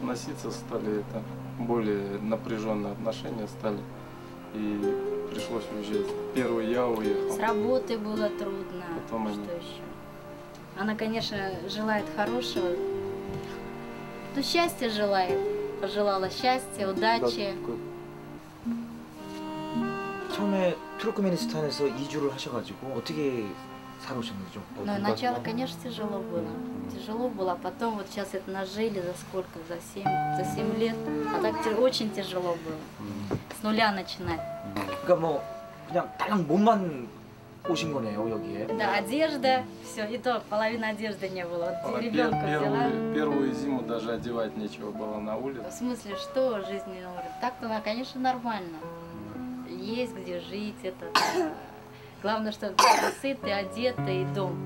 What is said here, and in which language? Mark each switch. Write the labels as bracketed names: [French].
[Russian] Носиться стали, это более напряженные отношения стали, и пришлось уезжать. Первый я уехал. С работы было трудно. Потом они... Что еще? Она, конечно, желает хорошего, но счастья желает. Пожелала счастья, удачи. Да, [Korean] 처음에 투르크메니스탄에서 이주를 하셔가지고 어떻게 살아오셨는지 좀. [Russian] 네, начало, конечно, тяжело было. Тяжело было. Потом вот сейчас это нажили за сколько? За 7, за 7 лет. А так очень тяжело было. С нуля начинать. [Korean] 그러니까 뭐 그냥 딱 몸만 오신 거네요 여기에. [Russian] 네, одежда, все, и то половина одежды не было. Ребенка взяла. Первую зиму даже одевать нечего было на улице. В смысле, что жизнь не так-то, она, конечно, нормально. Есть где жить, это главное, что сытый, одетый и дом.